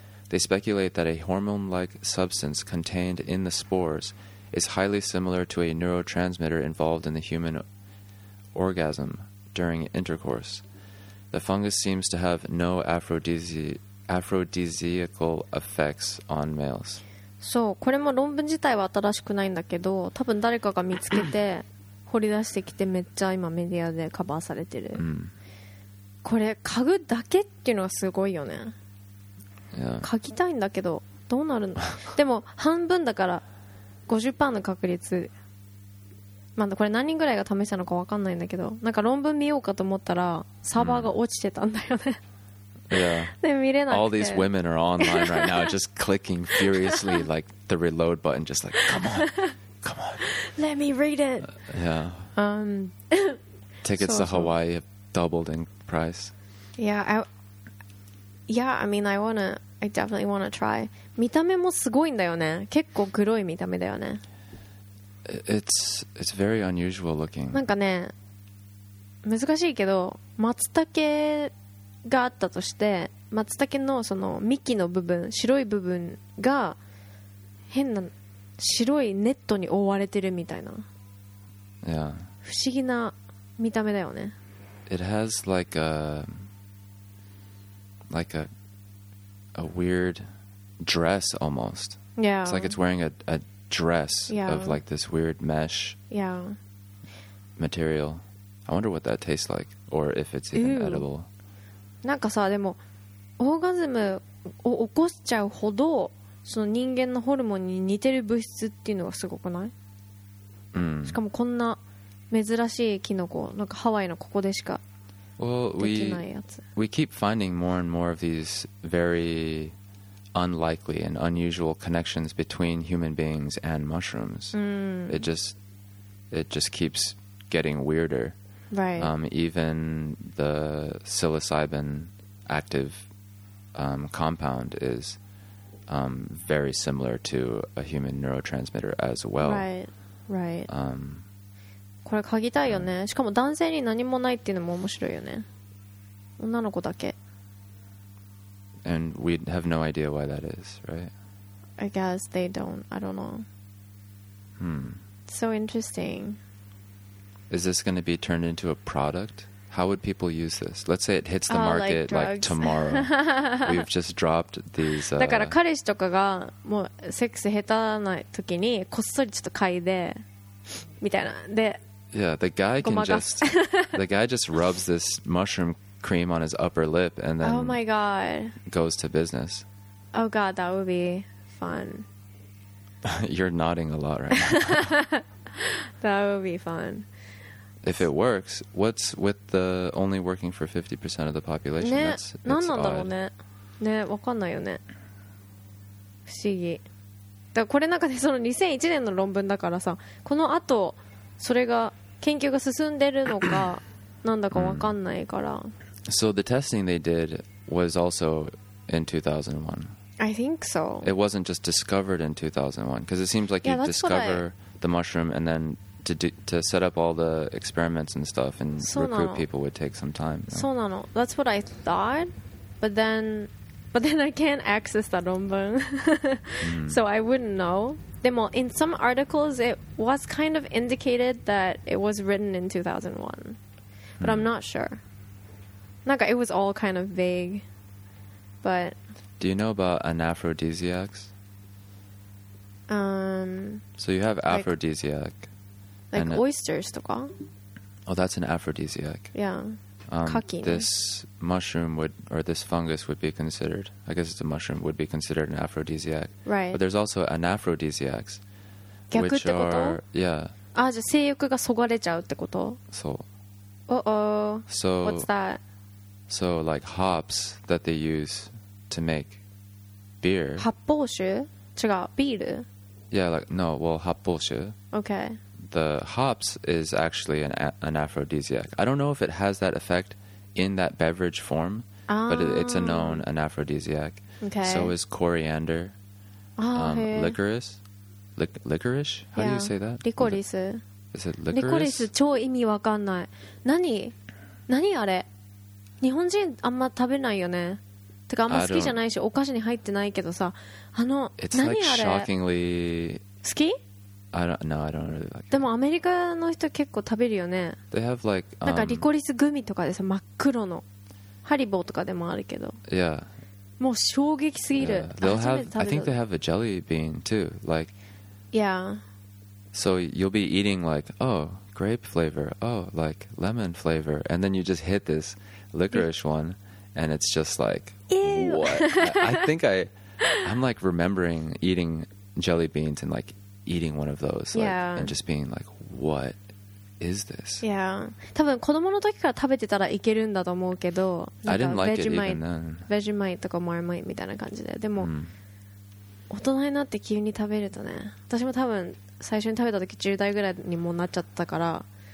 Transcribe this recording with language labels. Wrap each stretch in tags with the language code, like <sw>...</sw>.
<en>They speculate that a hormone-like substance contained in the spores is highly similar to a neurotransmitter involved in the human orgasm during intercourse. The fungus seems to have no aphrodisiacal effects on males.</en> <ja>そう、これも論文自体は新しくないんだけど、多分誰かが見つけて掘り出してきて、めっちゃ今メディアでカバーされてる。うん、これ嗅ぐだけっていうのがすごいよね。</ja> <en>Yeah.</en> <ja>嗅ぎたいんだけどどうなるの。でも半分だから 50% の確率、まあ、これ何人ぐらいが試したのか分かんないんだけど、なんか論文見ようかと思ったらサーバーが落ちてたんだよね。</ja> <en>Yeah.</en> <ja>で見れなくて。</ja> <en>All these women are online right now just clicking furiously like the reload button, just like come on, come on. Let me read it. Yeah. Tickets so, to Hawaii have doubled in price. I definitely want to try.</en> <ja>見た目もすごいんだよね。結構グロい見た目だよね。</ja> <en>It's very unusual looking.</en> <ja>なんかね、難しいけど、松茸があったとして、松茸のその幹の部分、白い部分が変な白いネットに覆われてるみたいな。</ja> <en>Yeah.</en> <ja>不思議な見た目だよね。</ja> <en>It has like a weird dress almost. Yeah. It's like it's wearing a dress yeah. of like this weird mesh. Yeah. Material. I wonder what that tastes like or if it's even edible.</en> <ja>なんかさ、でもオーガズムを起こしちゃうほどその人間のホルモンに似てる物質っていうのがすごくない？うん、しかもこんな珍しいキノコ、なんかハワイのここでしかできないやつ。</ja> <en>Well, we keep finding more and more of these very unlikely and unusual connections between human beings and mushrooms. It just keeps getting weirder. Right. Even the psilocybin active compound is very similar to a human neurotransmitter as well. Right.</en> <ja>これ嗅ぎたいよね。しかも男性に何もないっていうのも面白いよね。女の子だけ。</ja> <en>And we have no idea why that is, right? I guess they don't. I don't know. So interesting. Is this going to be turned into a product? How would people use this? Let's say it hits the market like tomorrow. We've just dropped these.</en> <ja>だから彼氏とかがもうセックス下手な時にこっそりちょっと嗅いでみたいなで。</ja> <en>Yeah, the guy can just the guy just rubs this mushroom cream on his upper lip and then oh my god goes to business. Oh god, that would be fun. You're nodding a lot right now. That would be fun. If it works, what's with the only working for 50% of the population?</en> <ja>ね、</ja> <en>that's odd.</en> <ja>何なんだろうね。ね、わかんないよね。不思議。だからこれなんかね、その2001年の論文だからさ、この後、それが、研究が進んでるのか、なんだかわかんないから。</ja> <en>So the testing they did was also in 2001. I think so. It wasn't just discovered in 2001, because it seems like yeah, you discover the mushroom and then... To set up all the experiments and stuff and recruit people would take some time. So, no, no. That's what I thought. But then I can't access that 論文. So, I wouldn't know. Demo, in some articles, it was kind of indicated that it was written in 2001. But I'm not sure. Nanka, it was all kind of vague. But... Do you know about aphrodisiacs? So you have aphrodisiac. Like oysters とか? Oh, that's an aphrodisiac. Yeah.</en> <ja>Kaki.</ja> <en>This mushroom would, or this fungus would be considered, I guess it's a mushroom, would be considered an aphrodisiac. Right. But there's also anaphrodisiacs.</en> <ja>逆ってこと?</ja> <en>Which are, yeah.</en> <ja>Ah, じゃあ性欲がそがれちゃうってこと?</ja> <en>So. Uh-oh. So. What's that? So, like hops that they use to make beer.</en> <ja>発泡酒?違う, ビール?</ja> <en>Yeah, like, no, well, 発泡酒. Okay. The hops is actually an aphrodisiac. I don't know if it has that effect in that beverage form, but it's a known aphrodisiac. Okay. So is coriander, licorice? How do you say that? Licorice. Is it licorice?</en> <ja>Licorice, 超意味わかんない。何あれ? 日本人あんま食べないよね。てかあんま好きじゃないし、お菓子に入ってないけどさ。</ja> <en>It's like shockingly...</en> <ja>好き?</ja> <en>I don't really like it.</en> <ja>でもアメリカの人結構食べるよね。</ja> <en>They have like,</en> <ja>なんかリコリスグミとかでさ、真っ黒の。ハリボーとかでもあるけど。</ja> <en>Yeah.</en> <ja>もう衝撃すぎる。</ja> <en>Yeah. They'll have, I think they have a jelly bean too. Like, yeah. So you'll be eating like, oh, grape flavor. Oh, like lemon flavor. And then you just hit this licorice one. And it's just like, ew. What? I'm like remembering eating jelly beans and like,eating one of those like, yeah. and just being like what is this</en> <ja>yeah 多分子供の時から食べてたらいけるんだと思うけど</ja> <en>I didn't like Vegemite, it even then</en> <ja>Vegemite とか Marmite みたいな感じででも、大人になって急に食べるとね私も多分最初に食べた時10代ぐらいにもなっちゃったから</ja>